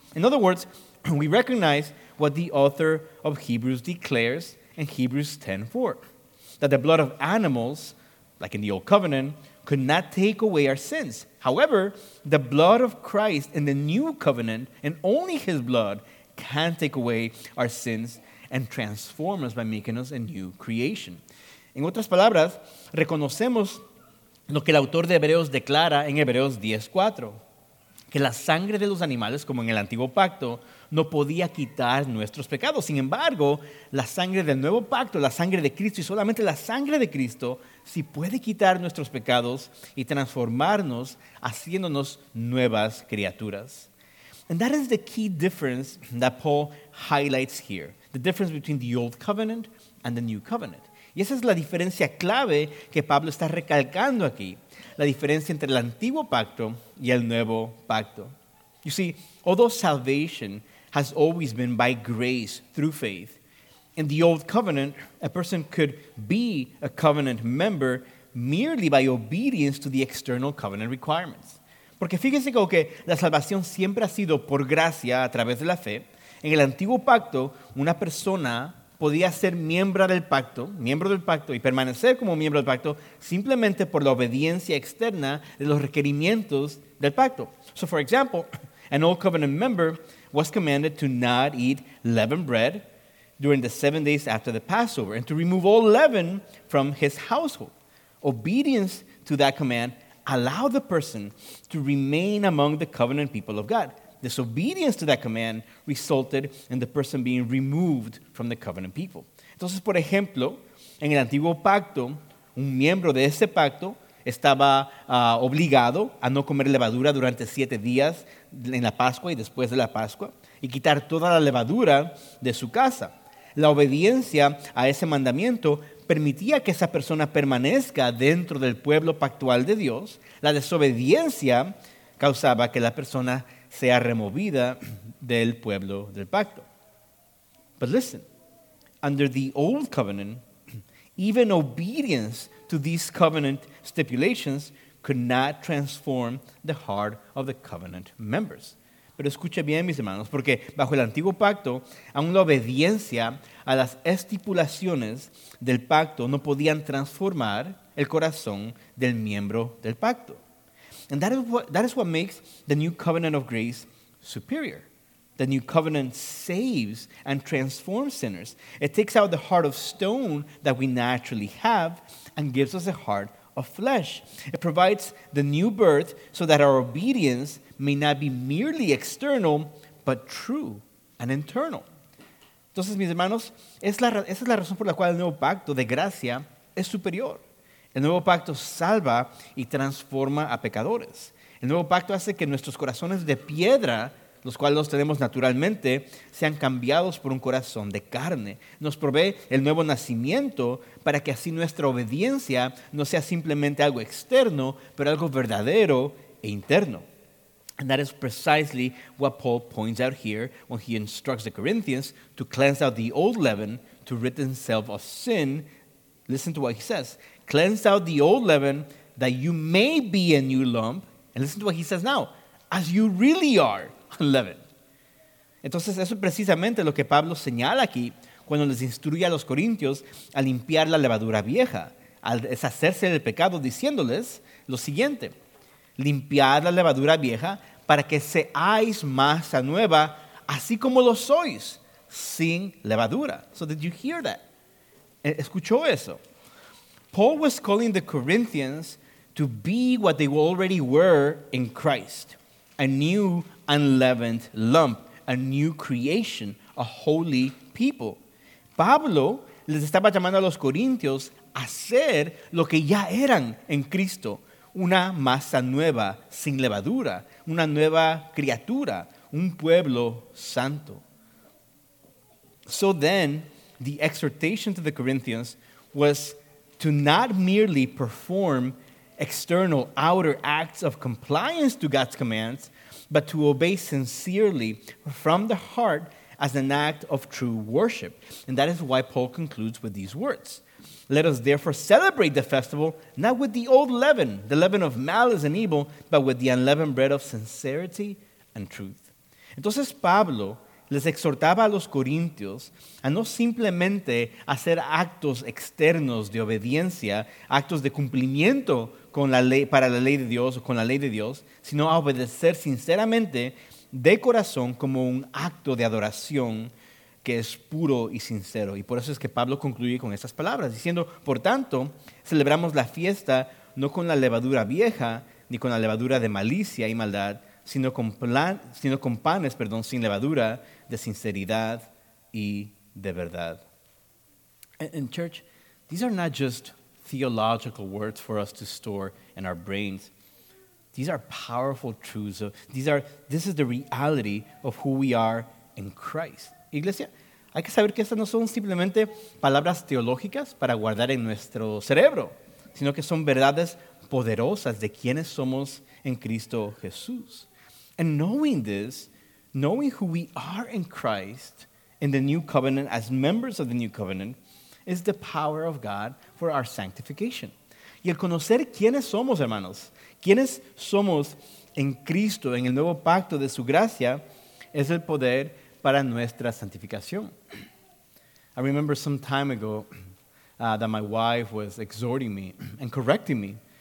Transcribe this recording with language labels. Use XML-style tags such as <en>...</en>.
<en>In other words, we recognize what the author of Hebrews declares in Hebrews 10:4, that the blood of animals, like in the Old Covenant, could not take away our sins. However, the blood of Christ in the New Covenant, and only His blood, can take away our sins and transform us by making us a new creation.</en> <es>En otras palabras, reconocemos lo que el autor de Hebreos declara en Hebreos 10:4, que la sangre de los animales, como en el Antiguo Pacto, no podía quitar nuestros pecados. Sin embargo, la sangre del Nuevo Pacto, la sangre de Cristo, y solamente la sangre de Cristo, sí puede quitar nuestros pecados y transformarnos, haciéndonos nuevas criaturas.</es> <en>And that is the key difference that Paul highlights here, the difference between the Old Covenant and the New Covenant.</en> <es>Y esa es la diferencia clave que Pablo está recalcando aquí, la diferencia entre el Antiguo Pacto y el Nuevo Pacto.</es> <en>You see, although salvation has always been by grace through faith, in the Old Covenant, a person could be a covenant member merely by obedience to the external covenant requirements.</en> <es>Porque fíjense como que la salvación siempre ha sido por gracia a través de la fe. En el Antiguo Pacto, una persona podía ser miembro del pacto y permanecer como miembro del pacto simplemente por la obediencia externa de los requerimientos del pacto.</es> <en>So for example, an Old Covenant member was commanded to not eat leavened bread during the 7 days after the Passover and to remove all leaven from his household. Obedience to that command allowed the person to remain among the covenant people of God. Disobedience to that command resulted in the person being removed from the covenant people.</en> <es>Entonces, por ejemplo, en el Antiguo Pacto, un miembro de ese pacto estaba obligado a no comer levadura durante 7 días en la Pascua y después de la Pascua y quitar toda la levadura de su casa. La obediencia a ese mandamiento permitía que esa persona permanezca dentro del pueblo pactual de Dios. La desobediencia causaba que la persona sea removida del pueblo del pacto.</es> <en>But listen, under the Old Covenant, even obedience to these covenant stipulations could not transform the heart of the covenant members.</en> <es>Pero escuche bien, mis hermanos, porque bajo el Antiguo Pacto, aún la obediencia a las estipulaciones del pacto no podían transformar el corazón del miembro del pacto.</es> <en>And that is what makes the new covenant of grace superior. The new covenant saves and transforms sinners. It takes out the heart of stone that we naturally have and gives us a heart of flesh. It provides the new birth so that our obedience may not be merely external, but true and internal.</en> <es>Entonces, mis hermanos, esa es la razón por la cual el nuevo pacto de gracia es superior. El nuevo pacto salva y transforma a pecadores. El nuevo pacto hace que nuestros corazones de piedra, los cuales los tenemos naturalmente, sean cambiados por un corazón de carne. Nos provee el nuevo nacimiento para que así nuestra obediencia no sea simplemente algo externo, pero algo verdadero e interno.</es> <en>And that is precisely what Paul points out here when he instructs the Corinthians to cleanse out the old leaven to rid themselves of sin. Listen to what he says. Cleanse out the old leaven that you may be a new lump. And listen to what he says now. As you really are unleavened.</en> <es>Entonces, eso es precisamente lo que Pablo señala aquí cuando les instruye a los corintios a limpiar la levadura vieja, al deshacerse del pecado, diciéndoles lo siguiente. Limpiad la levadura vieja para que seáis masa nueva, así como lo sois, sin levadura.</es> <en>So did you hear that?</en> <es>¿Escuchó eso?</es> <en>Paul was calling the Corinthians to be what they already were in Christ, a new unleavened lump, a new creation, a holy people.</en> <es>Pablo les estaba llamando a los corintios a ser lo que ya eran en Cristo, una masa nueva, sin levadura, una nueva criatura, un pueblo santo.</es> <en>So then, the exhortation to the Corinthians was to not merely perform external outer acts of compliance to God's commands, but to obey sincerely from the heart as an act of true worship. And that is why Paul concludes with these words. Let us therefore celebrate the festival, not with the old leaven, the leaven of malice and evil, but with the unleavened bread of sincerity and truth.</en> <es>Entonces Pablo les exhortaba a los corintios a no simplemente hacer actos externos de obediencia, actos de cumplimiento con la ley, para la ley de Dios o con la ley de Dios, sino a obedecer sinceramente de corazón como un acto de adoración que es puro y sincero. Y por eso es que Pablo concluye con estas palabras, diciendo, por tanto, celebramos la fiesta no con la levadura vieja ni con la levadura de malicia y maldad, sino con panes, sin levadura, de sinceridad y de verdad.</es> <en>And church, these are not just theological words for us to store in our brains. These are powerful truths. This is the reality of who we are in Christ.</en> <es>Iglesia, hay que saber que estas no son simplemente palabras teológicas para guardar en nuestro cerebro, sino que son verdades poderosas de quienes somos en Cristo Jesús.</es> <en>And knowing this, knowing who we are in Christ in the new covenant as members of the new covenant is the power of God for our sanctification.</en> <es>Y el conocer quiénes somos, hermanos, quiénes somos en Cristo, en el nuevo pacto de su gracia, es el poder para nuestra santificación.</es> <en>I remember some time ago that my wife was exhorting me and correcting me.</en>